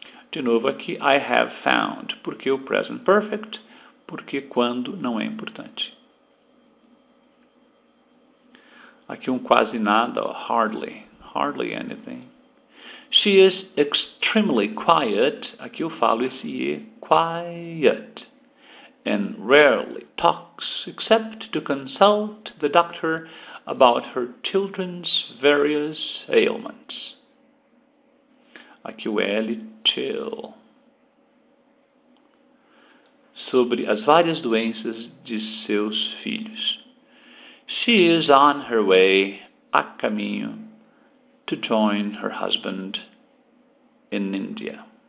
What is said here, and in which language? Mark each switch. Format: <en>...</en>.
<pt>De novo aqui,</pt> <en>I have found.</en> <pt>Por que o present perfect? Porque quando não é importante. Aqui um quase nada,</pt> <en>hardly anything. She is extremely quiet.</en> <pt>Aqui eu falo esse E,</pt> <en>quiet. and rarely talks except to consult the doctor about her children's various ailments. AQL 2.</en> <pt>Sobre as várias doenças de seus filhos.</pt> <en>She is on her way,</en> <pt>a caminho,</pt> <en>to join her husband in India.</en>